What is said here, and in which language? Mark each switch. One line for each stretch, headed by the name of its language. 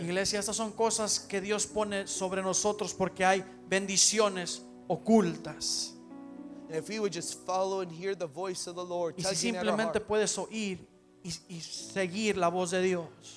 Spanish: Iglesia, estas son cosas que Dios pone sobre nosotros porque hay bendiciones ocultas.
English: And if we would just follow and hear the voice of the Lord.
Spanish: Y si simplemente puedes oír y seguir la voz de Dios.